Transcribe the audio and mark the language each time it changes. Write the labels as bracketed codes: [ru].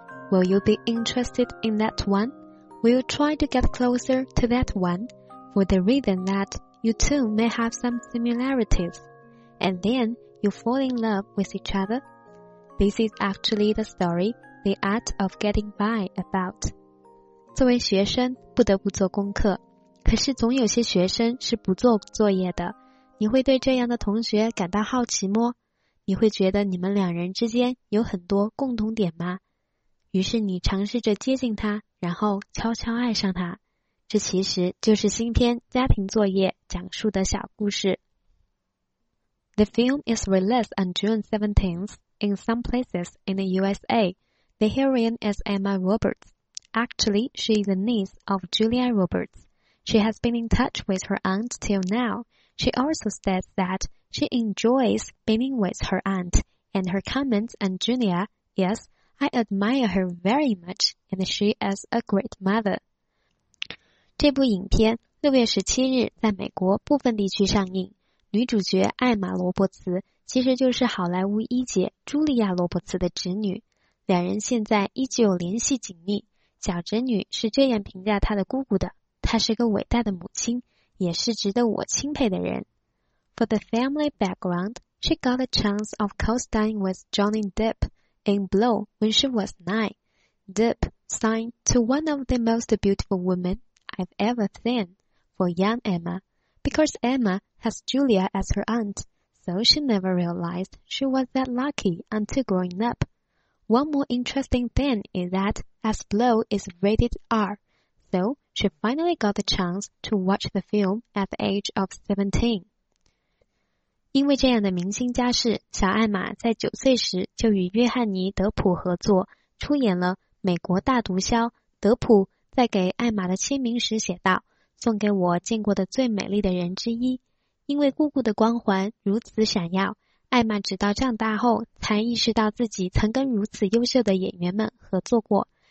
[en] Will you be interested in that one? Will you try to get closer to that one for the reason that you two may have some similarities, and then you fall in love with each other? This is actually the story, The Art of Getting By about. [zh] 作为学生不得不做功课。可是总有些学生是不做作业的，你会对这样的同学感到好奇吗？你会觉得你们两人之间有很多共同点吗？于是你尝试着接近他，然后悄悄爱上他。这其实就是新篇家庭作业讲述的小故事。 [en] The film is released on June 17th in some places in the USA. The heroine is Emma Roberts. Actually, she is the niece of Julia Roberts. She has been in touch with her aunt till now. She also says that she enjoys being with her aunt, and her comments on Junia, yes, I admire her very much, and she is a great mother. [zh] 这部影片6月17日在美国部分地区上映。女主角艾玛·罗伯茨其实就是好莱坞一姐茱莉亚·罗伯茨的侄女。两人现在依旧联系紧密。小侄女是这样评价她的姑姑的。她是个伟大的母亲，也是值得我钦佩的人。 [en] For the family background, she got a chance of co-starring with Johnny Depp in Blow when she was 9. Depp signed to one of the most beautiful women I've ever seen, for young Emma. Because Emma has Julia as her aunt, so she never realized she was that lucky until growing up. One more interesting thing is that as Blow is rated R, so,She finally got the chance to watch the film at the age of 17. [zh] 因为这样的明星家世，小艾玛在9岁时就与约翰尼·德普合作，出演了《美国大毒枭》。德普在给艾玛的签名时写道：送给我见过的最美丽的人之一。因为姑姑的光环如此闪耀，艾玛直到长大后才意识到自己曾跟如此优秀的演员们合作过。